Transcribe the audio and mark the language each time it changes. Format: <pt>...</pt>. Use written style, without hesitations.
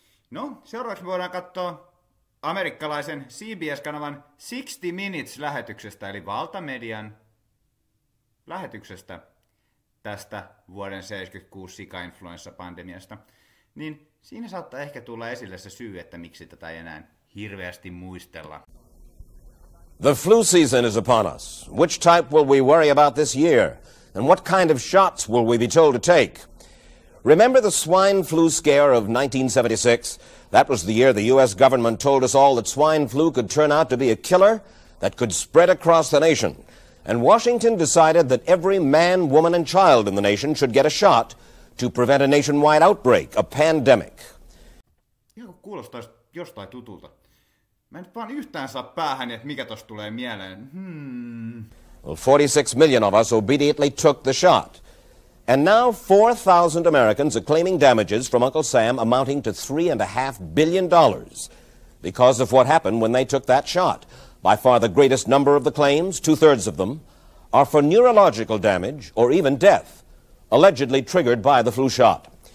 <fi>No, seuraavaksi voidaan katsoa amerikkalaisen CBS-kanavan 60 Minutes-lähetyksestä, eli valtamedian lähetyksestä tästä vuoden 76 sika-influenssapandemiasta, niin siinä saattaa ehkä tulla esille se syy, että miksi tätä ei enää hirveästi muistella.</fi> <en>The flu season is upon us. Which type will we worry about this year? And what kind of shots will we be told to take? Remember the swine flu scare of 1976? That was the year the US government told us all that swine flu could turn out to be a killer that could spread across the nation. And Washington decided that every man, woman, and child in the nation should get a shot to prevent a nationwide outbreak, a pandemic.</en> <fi>Joo, kuulostaisi jostain tutulta. Mä en vaan yhtään saa päähän, että mikä tosta tulee mieleen.</fi> <en>Well, 46 million of us obediently took the shot. And now 4,000 Americans are claiming damages from Uncle Sam amounting to $3.5 billion because of what happened when they took that shot. By far the greatest number of the claims, two-thirds of them, are for neurological damage or even death, allegedly triggered by the flu shot.</en>